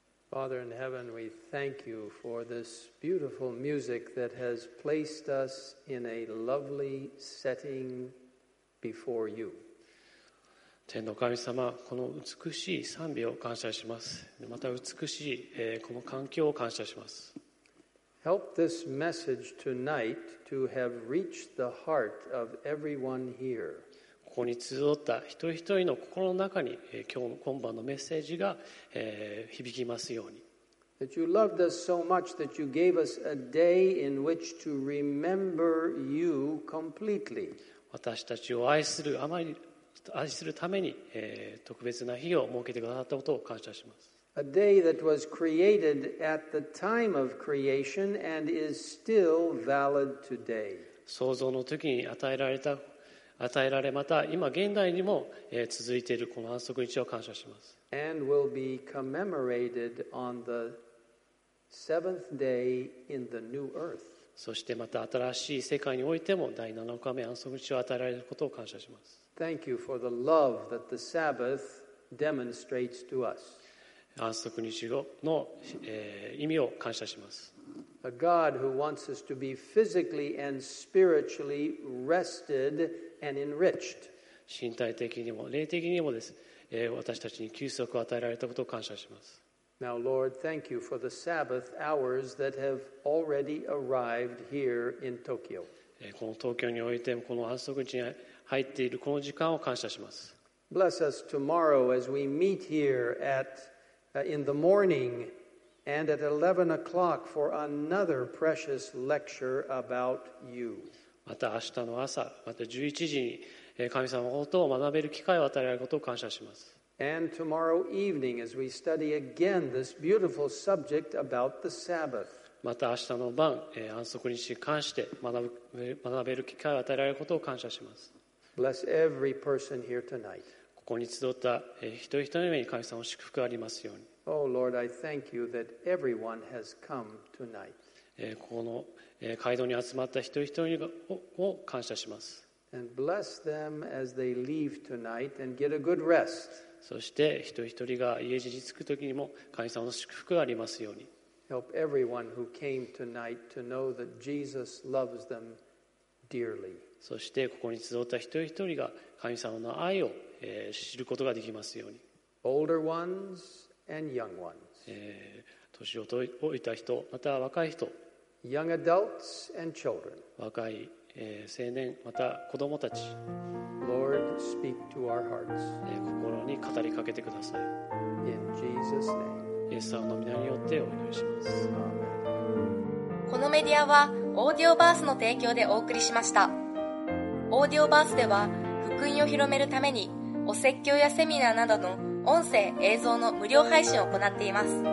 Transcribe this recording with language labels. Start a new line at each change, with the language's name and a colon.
English: Father in heaven, we thank you for this beautiful music that has placed us in a lovely setting before you.
Japanese: 天の神様、この美しい賛美を感謝します。また美しい、この環境を感謝します。
English: Help this message tonight to have reached the heart of everyone here.
Japanese: ここに集った一人一人の心の中に今日の今晩のメッセージが響きますように。
English: That you loved us so much that you gave us a day in which to remember you completely.
Japanese: 私たちを愛するあまり愛するために特別な日を設けてくださったことを感謝します。
English: A day that was created at the time of creation and is still valid today.
Japanese: 創造の時に与えられまた今現代にも続いているこの安息日を感謝します。
English: And will be commemorated on the seventh day in the new earth.
Japanese: そしてまた新しい世界においても第7日目安息日を与えられることを感謝します。
English: Thank you for the love that the Sabbath demonstrates to us.
Japanese: 安息日の意味を感謝します。
English: A God who wants us to be physically and spiritually rested and enriched.
Japanese: 身体的にも霊的にもです。私たちに休息を与えられたことを感謝します。
English: Now, Lord, thank you for the Sabbath hours that have already arrived here in Tokyo.
Japanese: この東京においてもこの安息日に入っているこの時間を感謝します。
English: Bless us tomorrow as we meet here at in the morning and at 11 o'clock for another precious lecture about you.
Japanese: また明日の朝、また11時に神様のことを学べる機会を与えられることを感謝します。
English: And tomorrow evening as we study again this beautiful subject about the Sabbath.
Japanese: また明日の晩、安息日に関して学べる機会を与えられることを感謝します。
English: Bless every person here tonight.
Japanese: ここに集った一人一人の目に神様の祝福がありますように。
English: Oh Lord, I thank you that everyone has come tonight.
Japanese: この会堂に集まった一人一人を感謝します。
English: And bless them as they leave tonight and get a good rest.
Japanese: そして一人一人が家路に着く時にも神様の祝福がありますように。
English: Help everyone who came tonight to know that Jesus loves them dearly.
Japanese: そしてここに集った一人一人が神様の愛を知ることができますように。
English: Older ones and young ones.
Japanese: 年を老いた人、または若い人。
English: Young adults and children.
Japanese: 若い青年、また子供たち。
English: Lord, speak to our hearts.
Japanese: 心に語りかけてください。
English: In Jesus' name.
Japanese: イエス様の御名によってお祈りします。
English: Amen.
Japanese: このメディアはオーディオバースの提供でお送りしました。オーディオバースでは福音を広めるためにお説教やセミナーなどの音声・映像の無料配信を行っています。